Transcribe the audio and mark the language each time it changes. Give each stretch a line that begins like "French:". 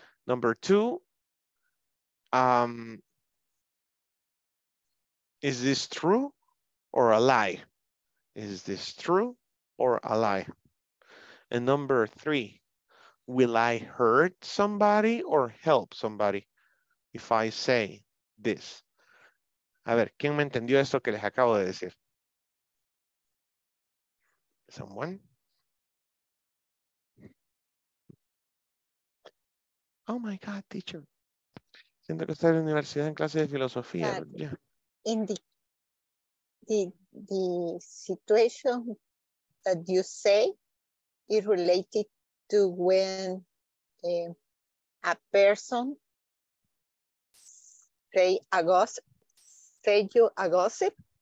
English: Number two, is this true or a lie? Is this true or a lie? And number three, will I hurt somebody or help somebody if I say this?
Spanish: A ver, ¿quién me entendió esto que les acabo de decir?
English: Someone? Oh my God, teacher.
Spanish: Siento que estoy en la universidad en clase de filosofía.
English: Yeah. In the situation that you say is related to when a person say a gossip, say you a gossip.